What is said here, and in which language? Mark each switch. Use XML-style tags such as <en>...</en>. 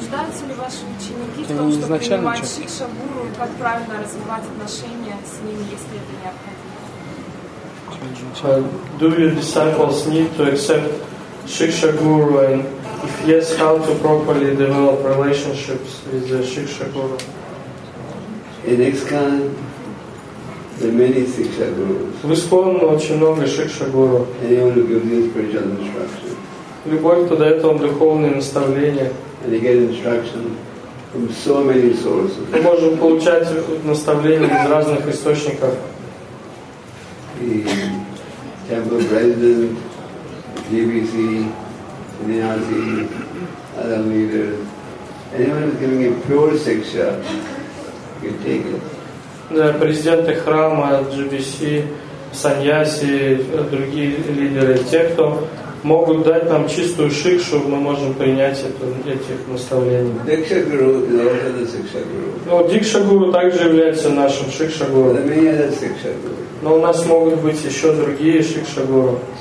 <ru>Нуждаются ли ваши ученики в том, чтобы принимать Шикша Гуру, как правильно развивать отношения с ними, если это необходимо?</ru> <en>Do your disciples need to accept Shiksha Guru, and if yes, how to properly develop relationships with the Shiksha Guru? In ISKCON, there are many Shiksha Gurus.</en> <ru>В ISKCON очень много Shiksha Guru.</ru> <en>Anyone who gives you spiritual instruction.</en> <ru>Любой, кто дает вам духовные наставления.</ru> <en>And you get instruction from so many sources.</en> <ru>Мы можем получать наставления из разных источников.</ru> <en>The temple president, GBC, NRC, other leaders, anyone who is giving a pure shiksha,</en> <ru>Да, президенты храма, GBC, саньяси, другие лидеры, те, кто могут дать нам чистую шикшу, мы можем принять это, этих наставлений. Дикша-гуру также является нашим шикша-гуру. Но у нас могут быть еще другие шикша-гуру.</ru>